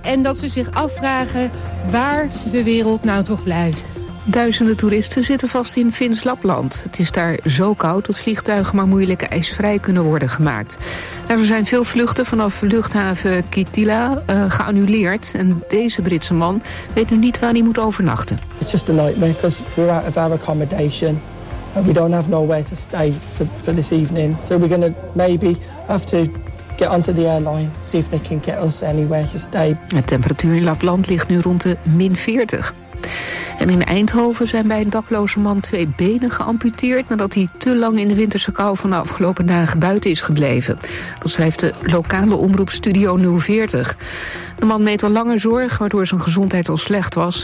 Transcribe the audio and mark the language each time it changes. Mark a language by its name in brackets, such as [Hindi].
[Dutch] En dat ze zich afvragen waar de wereld nou toch blijft. Duizenden toeristen zitten vast in Fins Lapland. Het is daar zo koud dat vliegtuigen maar moeilijk ijsvrij kunnen worden gemaakt. Er zijn veel vluchten vanaf luchthaven Kittilä geannuleerd. En deze Britse man weet nu niet waar hij moet overnachten. [English] It's just a nightmare because we're out of our accommodation. We don't have nowhere to stay for this evening. So we're gonna maybe have to get onto the airline, see if they can get us anywhere to stay. [Dutch] De temperatuur in Lapland ligt nu rond de min 40. En in Eindhoven zijn bij een dakloze man twee benen geamputeerd nadat hij te lang in de winterse kou van de afgelopen dagen buiten is gebleven. Dat schrijft de lokale omroep Studio 040. De man meet al langer zorg, waardoor zijn gezondheid al slecht was.